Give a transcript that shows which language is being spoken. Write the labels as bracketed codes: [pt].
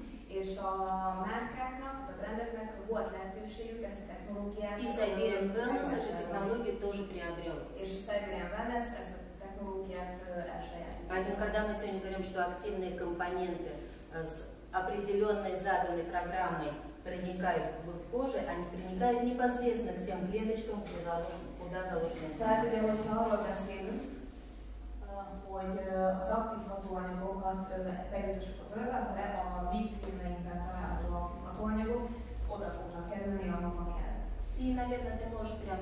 [hu] És a márkáknak, a brendeknek volt lehetőségük ezt a technológiát. És Siberian Wellness ezt a technológiát [ru] тоже приобрел. [hu] És Siberian Wellness ezt a technológiát elsajátította. [ru] Поэтому, когда мы сегодня говорим, что активные компоненты с определенной заданной программой проникают в кожу, они проникают непосредственно к тем клеточкам, куда заложены. [hu] Tehát ugye, hogyha arról beszélünk, hogy az aktív hatóanyagokat bejutassuk a bőrbe, a vitrineinkben található aktív hatóanyagok oda fognak kerülni, ahova kell. Én egyetlen, de most prém a